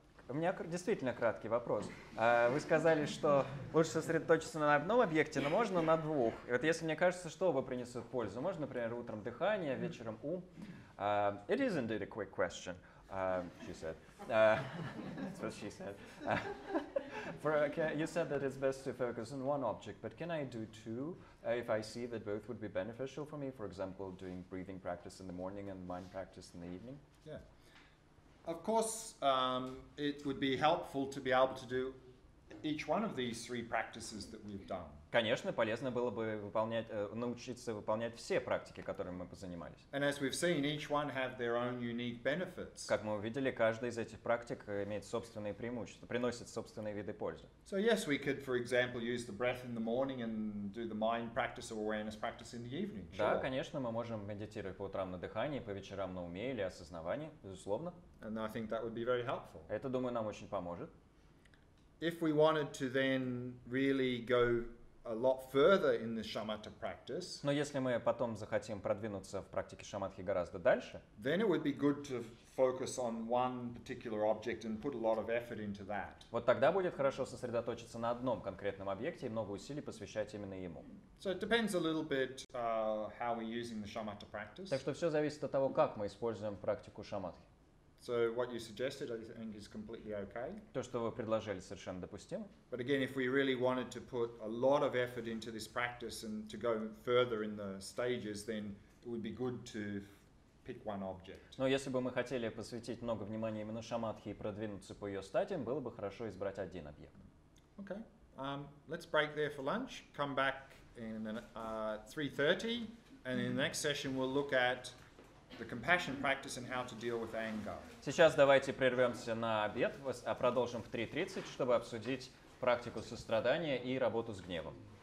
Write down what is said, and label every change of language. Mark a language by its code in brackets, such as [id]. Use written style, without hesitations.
[ru] У меня действительно краткий вопрос. Вы сказали, что лучше сосредоточиться на одном объекте, но можно на двух. И вот если мне кажется, что оба принесут пользу, можно, например, утром дыхание, вечером ум. [en] It is indeed a quick question, she said. That's what she said. You said that it's best to focus on one object, but can I do two if I see that both would be beneficial for me? For example, doing breathing practice in the morning and mind practice in the evening? Yeah. Of course, it would be helpful to be able to do each one of these three practices that we've done. [ru] Конечно, полезно было бы научиться выполнять все практики, которыми мы позанимались. [en] And as we've seen, each one have their own unique benefits. [ru] Как мы увидели, каждая из этих практик имеет собственные преимущества, приносит собственные виды пользы. [en] So yes, we could, for example, use the breath in the morning and do the mind practice or awareness practice in the evening. [ru] Да, конечно, мы можем медитировать по утрам на дыхании, по вечерам на уме или осознавании, безусловно. [en] And I think that would be very helpful. [ru] Это, думаю, нам очень поможет. [en] If we wanted to then really go a lot further in the shamatha practice. [ru] Но если мы потом захотим продвинуться в практике шаматхи гораздо дальше, [en] then it would be good to focus on one particular object and put a lot of effort into that. [ru] Вот тогда будет хорошо сосредоточиться на одном конкретном объекте и много усилий посвящать именно ему. [en] So it depends a little bit how we're using the shamatha practice. [ru] Так что все зависит от того, как мы используем практику шаматхи. [en] So what you suggested, I think, is completely okay. [ru] То, что вы предложили, совершенно допустимо. [en] But again, if we really wanted to put a lot of effort into this practice and to go further in the stages, then it would be good to pick one object. [ru] Но если бы мы хотели посвятить много внимания именно шаматхе и продвинуться по ее стадиям, было бы хорошо избрать один объект. [en] Okay. Let's break there for lunch. Come back in 3:30, and in the next session we'll look at the compassion practice and how to deal with anger. [ru] Сейчас давайте прервемся на обед, а продолжим в 3:30, чтобы обсудить практику сострадания и работу с гневом.